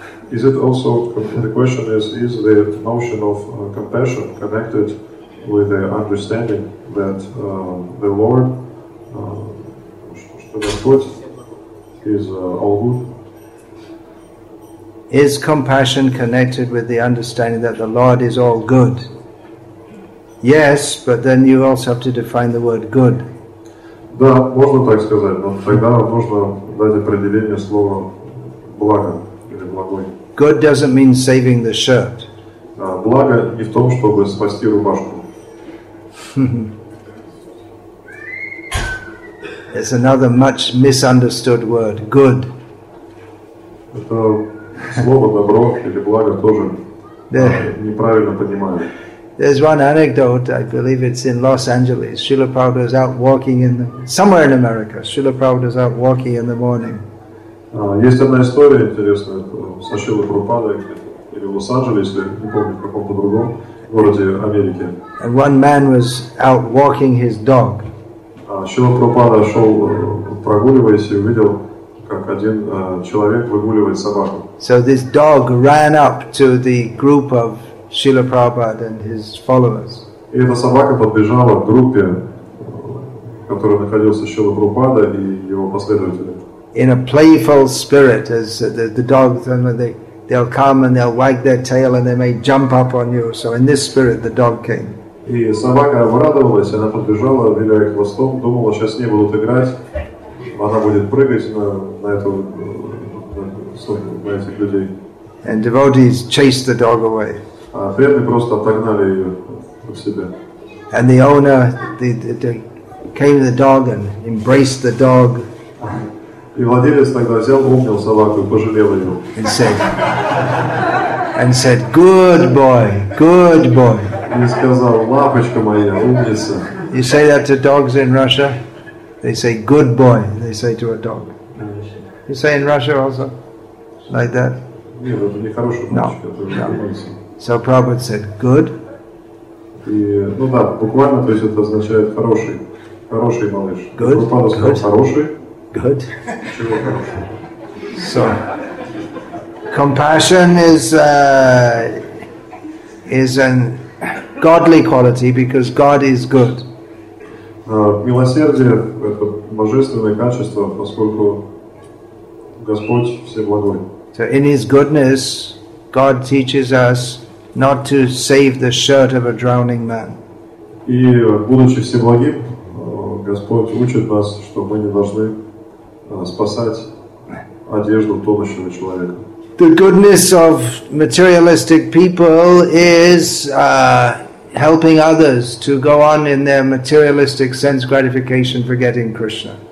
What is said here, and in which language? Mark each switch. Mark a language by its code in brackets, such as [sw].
[en] Is it also, the question is the notion of compassion connected with the understanding that the Lord, all good? Is compassion connected with the understanding that the Lord is all good? Yes, but then you also have to define the word good. [ru] Да, можно так сказать, но тогда можно дать определение слова благо или благой. [en] Good doesn't mean saving the shirt. [ru] Благо не в том, чтобы спасти рубашку. [en] It's another much misunderstood word, good. [ru] Это слово добро или благо тоже неправильно понимают. [en] There's one anecdote, I believe it's in Los Angeles. Srila Prabhupada is out walking in the, somewhere in America. Srila Prabhupada is out walking in the morning. [ru] Есть одна история интересная со Шрилой Прабхупадой или в Лос-Анджелесе, не помню, в каком-то другом городе Америки. [en] And one man was out walking his dog. [ru] Шрила Прабхупада шел прогуливаясь и увидел, как один человек выгуливает собаку. [en] So this dog ran up to the group of Srila Prabhupada and his followers. [ru] И эта собака подбежала к группе, в которой находился Шрила Прабхупада и его последователи. [en] In a playful spirit, as the dogs, and they'll come and they'll wag their tail and they may jump up on you. So in this spirit, the dog came. [ru] И собака обрадовалась, она подбежала, виляя хвостом, думала, сейчас с ней будут играть, она будет прыгать на этих людей. [en] And devotees chased the dog away. [ru] А преданные просто отогнали ее от себя. [en] And the owner, the came to the dog and embraced the dog. [ru] И владелец тогда взял, обнял собаку и пожалел ее. [en] And said, good boy, good boy. [ru] И сказал, лапочка моя, умница. [en] You say that to dogs in Russia? They say, good boy, they say to a dog. You say in Russia also? Like that? No. So Prabhupada said, good. [ru] И, ну да, буквально, то есть это означает хороший. Хороший малыш. [en] Good. [ru] Прабхупада сказал, хороший. [en] Good. [ru] Чего хорошего? [en] So, compassion is a godly quality because God is good. [ru] Милосердие – это божественное качество, поскольку Господь всеблагой. [en] So in His goodness, God teaches us not to save the shirt of a drowning man. [ru] И, будучи всеблагим, Господь учит нас, что мы не должны спасать одежду тонущего человека. [en] The goodness of materialistic people is helping others to go on in their materialistic sense gratification forgetting Krishna.